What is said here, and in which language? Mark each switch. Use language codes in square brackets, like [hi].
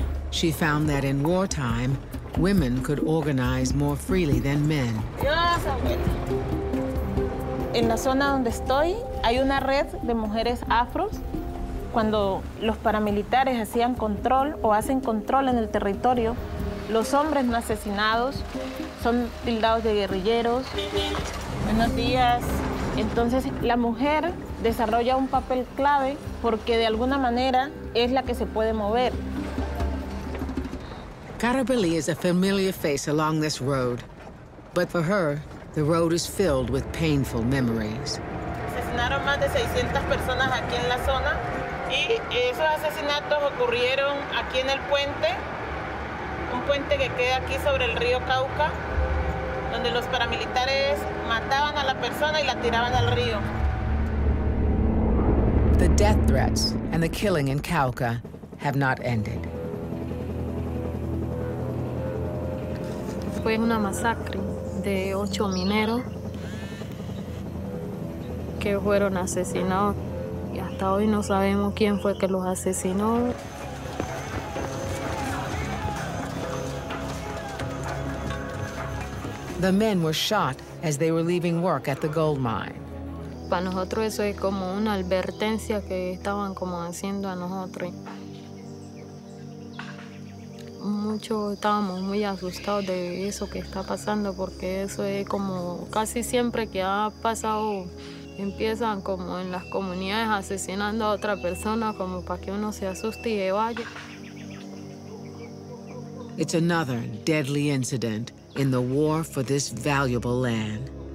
[en] She found that in wartime, women could organize more freely than men. [es] En la zona donde estoy, hay una red de mujeres afros. Cuando los paramilitares hacían control o hacen control en el territorio, los hombres no asesinados son tildados de guerrilleros. Buenos días. Entonces, la mujer desarrolla un papel clave porque, de alguna manera, es la que se puede mover. [en] Carabelli is a familiar face along this road. But for her, the road is filled with painful memories. [es] Asesinaron más de 600 personas aquí en la zona. Y esos asesinatos ocurrieron aquí en el puente, un puente que queda aquí sobre el río Cauca. donde los paramilitares mataban a la persona y la tiraban al río. [en] The death threats and the killing in Cauca have not ended. [es] Fue una masacre de 8 mineros que fueron asesinados. Y hasta hoy no sabemos quién fue que los asesinó. [en] The men were shot as they were leaving work at the gold mine. [es] Para nosotros eso es como una advertencia que estaban como haciendo a nosotros. Mucho estábamos muy asustados de eso que está pasando, porque eso es como casi siempre que ha pasado, empiezan como en las comunidades asesinando a otra persona como para que uno se asuste y se vaya. [en] It's another deadly incident in the war for this valuable land.